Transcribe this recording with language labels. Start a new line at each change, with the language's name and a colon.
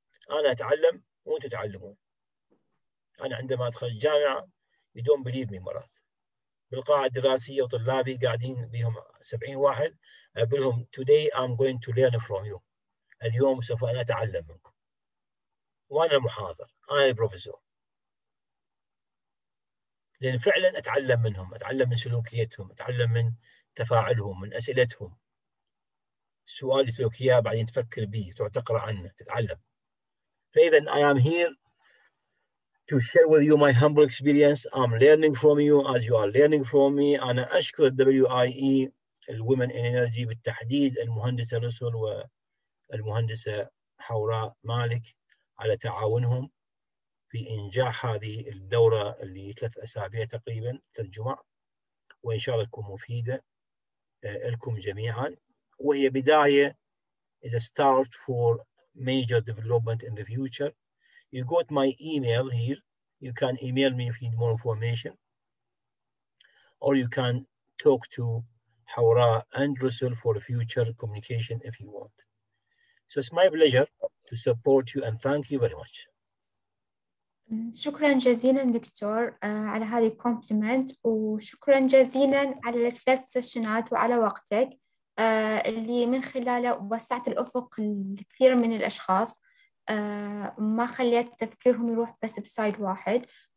Arabic: أنا أتعلم وأنتم تعلمون. أنا عندما أدخل الجامعة يدوم بليب من مرات بالقاعة الدراسية وطلابي قاعدين بهم 70 واحد، أقولهم
English: today I'm going to learn from you،
Arabic: اليوم سوف أنا أتعلم منكم، وأنا المحاضر، أنا البروفيسور، لأن فعلا أتعلم منهم، أتعلم من سلوكيتهم، أتعلم من تفاعلهم، من أسئلتهم. السؤال السلوكية بعدين تفكر به، تقرأ عنه، تتعلم.
English: فإذا I am here to share with you my humble experience. I'm learning from you as you are learning from me.
Arabic: أنا أشكر WIE Women in Energy بالتحديد المهندسة رسل والمهندسة حوراء مالك على تعاونهم بإنجاح هذه الدورة اللي 3 أسابيع تقريبا، 3 جمع، وإن شاء الله تكون مفيدة لكم جميعا، وهي بداية
English: is a start for major development in the future. You got my email here, you can email me if you need more information, or you can talk to حوراء and wrestle for future communication if you want. So it's my pleasure to support you and thank you very much.
Arabic: شكرا جزيلا دكتور على هذه الكومبلمنت وشكرا جزيلا على الثلاث سيشنات وعلى وقتك اللي من خلاله وسعت الأفق لكثير من الأشخاص ما خليت تفكيرهم يروح بس بسايد واحد.